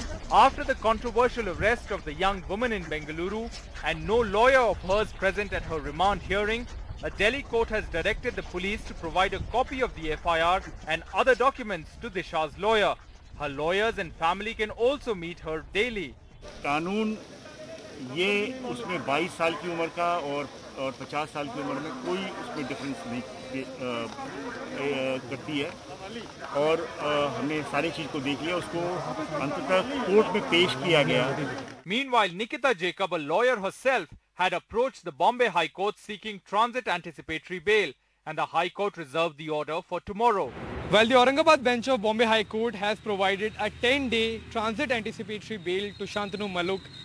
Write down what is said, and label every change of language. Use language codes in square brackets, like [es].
[en] After the controversial arrest of the young woman in Bengaluru and no lawyer of hers present at her remand hearing, a Delhi court has directed the police to provide a copy of the FIR and other documents to Disha's lawyer. Her lawyers and family can also meet her daily. [hi] कानून ये उसमें 22 साल की उम्र का और 50 साल की उम्र में कोई उसमें डिफरेंस नहीं करती है और हमने सारी चीज को देख लिया उसको अंततः कोर्ट में पेश किया गया. [en] Meanwhile, Nikita Jacob, a lawyer herself, had approached the Bombay High Court seeking transit anticipatory bail, and the High Court reserved the order for tomorrow. Well, the Aurangabad bench of Bombay High Court has provided a 10-day transit anticipatory bail to Shantanu Maluk.